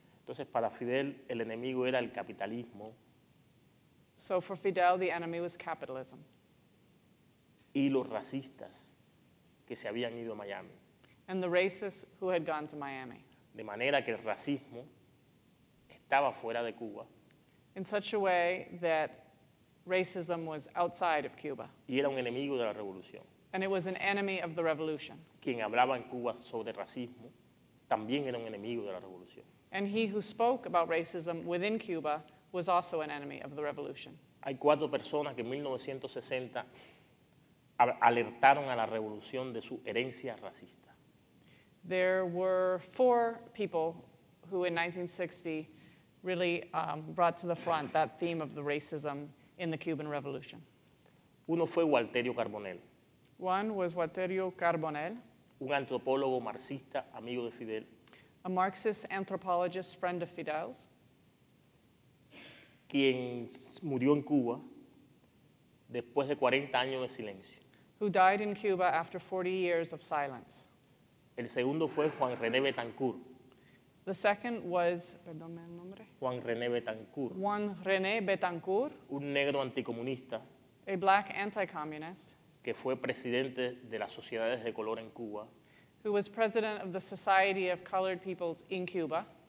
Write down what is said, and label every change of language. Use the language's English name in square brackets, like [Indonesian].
[Spanish] Entonces, para Fidel, el enemigo era el capitalismo. [English] So for Fidel, the enemy was capitalism. [Spanish] Y los racistas que se habían ido a Miami. [English] And the racists who had gone to Miami. [Spanish] De manera que el racismo estaba fuera de Cuba. [English] In such a way that racism was outside of Cuba. [Spanish] Y era un enemigo de la revolución. [English] And it was an enemy of the revolution. [Spanish] Quien hablaba en Cuba sobre racismo también era un enemigo de la revolución. [English] And he who spoke about racism within Cuba was also an enemy of the revolution. [Spanish] Hay cuatro personas que en 1960 alertaron a la revolución de su herencia racista. [English] There were four people who in 1960 really brought to the front that theme of the racism in the Cuban Revolution. [Spanish] Uno fue Walterio Carbonell. [English] One was Walterio Carbonell. [Spanish] Un antropólogo marxista, amigo de Fidel. [English] A Marxist anthropologist, friend of Fidel's. [Spanish] Quien murió en Cuba después de 40 años de silencio. [English] Who died in Cuba after 40 years of silence. [Spanish] El segundo fue Juan René Betancourt. [English] The second was, [Spanish] perdón el nombre. Juan René Betancourt. [English] Juan René Betancourt. [Spanish] Un negro anticomunista. [English] A black anti-communist. [Spanish] Que fue presidente de las sociedades de color en Cuba. [English] Who was president of the Society of Colored Peoples in Cuba.